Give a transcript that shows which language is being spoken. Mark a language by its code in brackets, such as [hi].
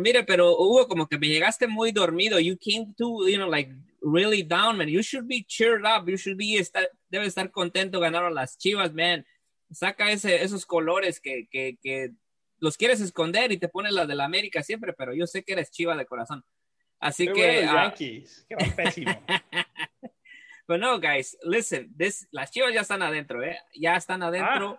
[es] Mira, pero Hugo, como que me llegaste muy dormido. [en] You came too, you know, like really down, man. You should be cheered up. You should [es] debe estar contento ganar a las Chivas, [en] man. [es] Saca esos colores que los quieres esconder y te pones la de la América siempre, pero yo sé que eres Chiva de corazón. Así pero que... Yankees. Qué pésimo. [en] But no, guys, listen. [es] Las Chivas ya están adentro, ¿eh? Ya están adentro.